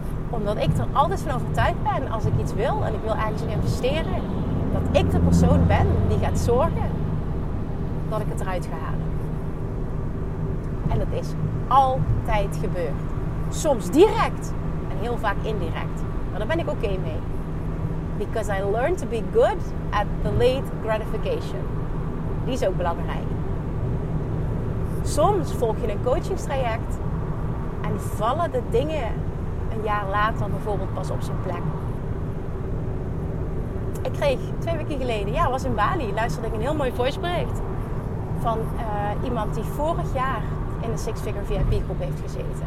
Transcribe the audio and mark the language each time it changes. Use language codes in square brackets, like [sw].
[nl] Omdat ik er altijd van overtuigd ben, als ik iets wil en ik wil ergens in investeren, dat ik de persoon ben die gaat zorgen dat ik het eruit ga halen. En dat is altijd gebeurd. Soms direct en heel vaak indirect. Maar daar ben ik oké mee. [en] Because I learned to be good at delayed gratification. [nl] Die is ook belangrijk. Soms volg je een coachingstraject en vallen de dingen een jaar later bijvoorbeeld pas op zijn plek. Ik kreeg 2 weken geleden, ja, was in Bali, luisterde ik een heel mooi voicebericht van iemand die vorig jaar in de Six Figure VIP groep heeft gezeten.